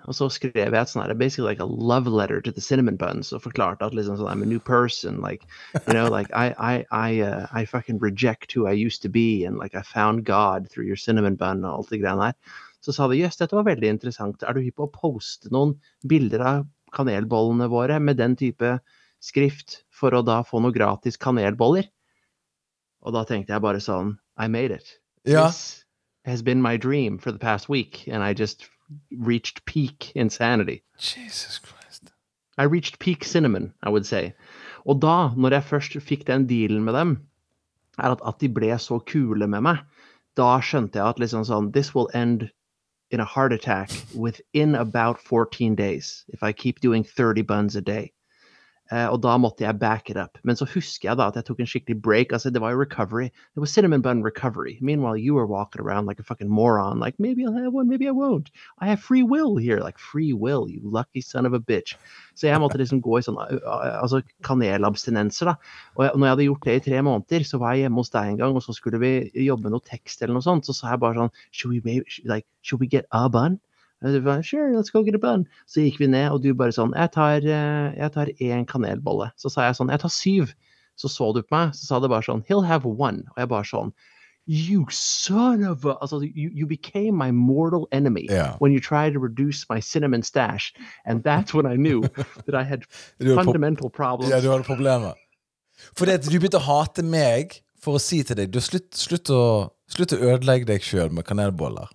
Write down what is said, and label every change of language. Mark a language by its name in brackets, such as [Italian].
[Norwegian] Og så skrev jeg et sånt her, [English] basically like a love letter to the cinnamon buns, [Norwegian] og forklarte at liksom, [English] I'm a new person, like, you know, like, I fucking reject who I used to be, and like, I found God through your cinnamon bun, [Norwegian] og alt det greia der. Så sa de, jøs, dette var veldig interessant, du hypp på å poste noen bilder av kanelbollene våre med den type skrift, for å da få noen gratis kanelboller? Og da tenkte jeg bare sånn, [English] I made it. Yeah. This has been my dream for the past week, and I just reached peak insanity. Jesus Christ. I reached peak cinnamon, I would say. [Norwegian] Og da, når jeg først fikk den dealen med dem, at de ble så kule med meg, da skjønte jeg at liksom sånn, [English] this will end in a heart attack within about 14 days, if I keep doing 30 buns a day. [Norwegian] Og da måtte jeg [English] back it up. [Norwegian] Men så husker jeg da at jeg tok en skikkelig break. Altså, det var jo recovery. Det var [English] cinnamon bun recovery. Meanwhile, you were walking around like a fucking moron. Like, maybe I'll have one, maybe I won't. I have free will here. Like, free will, you lucky son of a bitch. [Norwegian] Så jeg måtte liksom gå I sånn, altså kanelabstinenser da. Og når jeg hadde gjort det I 3 måneder, så var jeg hjemme hos deg en gang, og så skulle vi jobbe med noe tekst eller noe sånt. Så sa jeg bare sånn, [English] should we get a bun? Sure, let's go get a bun. [Norwegian] Så gikk vi ned, og du bare sånn, jeg tar en kanelbolle. Så sa jeg sånn, jeg tar 7. Så du på meg, så sa det bare sånn, [English] he'll have one. [Norwegian] Og jeg bare sånn, [English] you son of a... Altså, you became my mortal enemy when you tried to reduce my cinnamon stash. And that's when I knew that I had fundamental problems. [Norwegian] Ja, du hadde problemer. Fordi at du begynte å hate meg for å si til deg, du slutt å ødelegge deg selv med kanelboller.